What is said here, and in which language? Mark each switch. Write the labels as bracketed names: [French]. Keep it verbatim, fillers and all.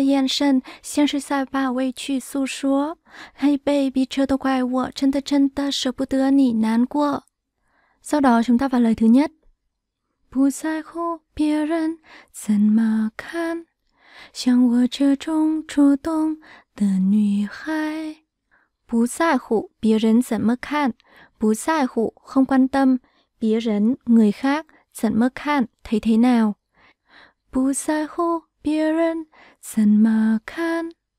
[Chinese] 不知道该怎么说，心里面在想什么。闷骚的性格我也很讨厌这结果。你看我的眼神像是在把委屈诉说。 [English] Hey baby, [Chinese] 这都怪我，真的真的舍不得你难过。 [Vietnamese] Sau đó chúng ta vào lời thứ nhất. [Chinese] 不在乎别人怎么看, 像我这种主动的女孩，不在乎别人怎么看，不在乎 [Vietnamese] không quan tâm [Chinese] 别人 [Vietnamese] người khác [Chinese] 怎么看 [Vietnamese] thấy thế nào， [Chinese] 不在乎别人怎么看，